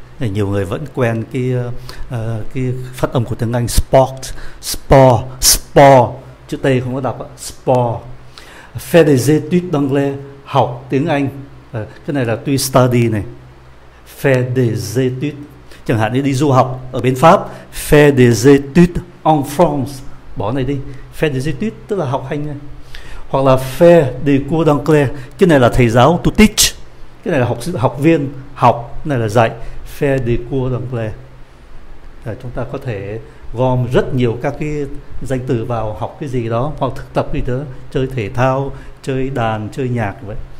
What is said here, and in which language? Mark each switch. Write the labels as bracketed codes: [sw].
[vi] Nhiều người vẫn quen cái phát âm của tiếng Anh sport, sport, sport. Chữ T không có đọc ạ, sport. [fr] Faire des études d'anglais, [vi] học tiếng Anh. Cái này là [en] tu study [vi] này. [fr] Faire des études. [vi] Chẳng hạn như đi du học ở bên Pháp. [fr] Faire des études en France. [vi] Bỏ này đi. [fr] Faire des études [vi] tức là học hành. Hoặc là [fr] faire des cours d'anglais. [vi] Cái này là thầy giáo, [en] to teach. [vi] Cái này là học viên, học, cái này là dạy, [fr] faire des cours d'anglais. [vi] Là chúng ta có thể gom rất nhiều các cái danh từ vào học cái gì đó, hoặc thực tập gì đó, chơi thể thao, chơi đàn, chơi nhạc vậy.